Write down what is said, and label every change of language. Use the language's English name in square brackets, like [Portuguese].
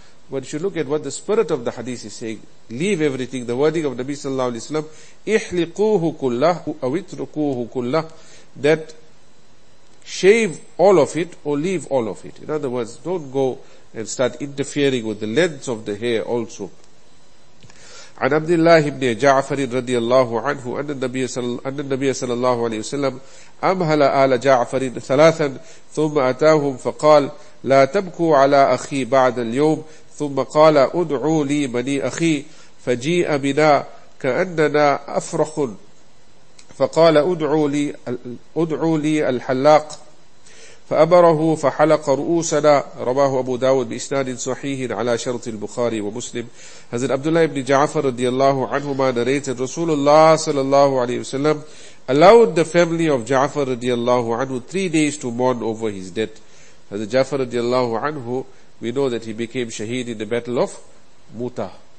[English] But if you look at what the spirit of the hadith is saying, leave everything, the wording of Nabi sallallahu alayhi wa sallam, [Arabic] ihliquhu kullahu awitrukuhu kullahu, [English] that shave all of it or leave all of it. In other words, don't go and start interfering with the length of the hair also. [Arabic] عن عبد الله بن جعفر رضي الله عنه أن النبي صلى الله عليه وسلم أمهل آل جعفر ثلاثا ثم أتاهم فقال لا تبكوا على أخي بعد اليوم ثم قال أدعوا لي بني أخي فجيء بنا كأننا أفرخ فقال أدعوا لي الحلاق فأمره فحلق رؤوسنا رواه أبو داود بإسناد صحيح على شرط البخاري ومسلم. [English] Hazrat Abdullah ibn Ja'far radiallahu anhuma narrated Rasulullah sallallahu alayhi wasallam allowed the family of Ja'far radiallahu anhu 3 days to mourn over his death. Hazrat Ja'far radiallahu anhu, we know that he became shaheed in the battle of Muta.